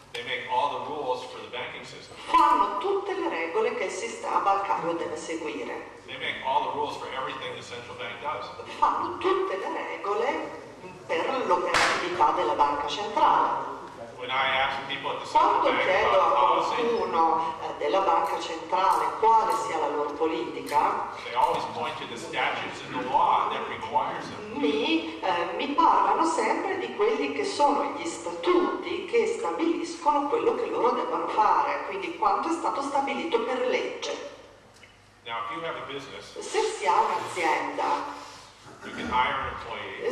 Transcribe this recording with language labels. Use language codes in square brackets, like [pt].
[en] They make all the rules for the banking system. [it] Fanno tutte le regole che il sistema bancario deve seguire. [en] They make all the rules for everything the central bank does. [it] Fanno tutte le regole per l'operatività della banca centrale. [en] When I ask people at the [it] quando [en] bank [it] chiedo [en] about [it] a qualcuno [en] policy, [it] della banca centrale quale sia la loro politica, [en] they always point to the statutes and the law that requires them. [it] Mi parlano sempre di quelli che sono gli statuti che stabiliscono quello che loro devono fare, quindi quanto è stato stabilito per legge. [en] Now, if you have a business, [it] se si ha un'azienda, [en] you can hire an employee,